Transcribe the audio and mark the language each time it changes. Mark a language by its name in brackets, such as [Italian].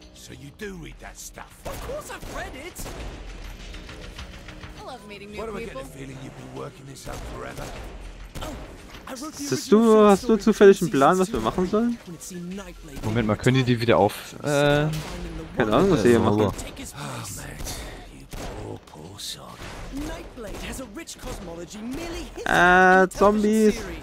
[English] So you do read that stuff. Of course I've read it. What am I getting a feeling you've been working this up forever? [German] Hast du zufällig einen Plan, was wir machen sollen? Moment mal, können die die wieder auf... Keine Ahnung, was sie hier machen. [English] Oh, Matt, you poor, poor son. Nightblade has a rich cosmology, merely Zombies!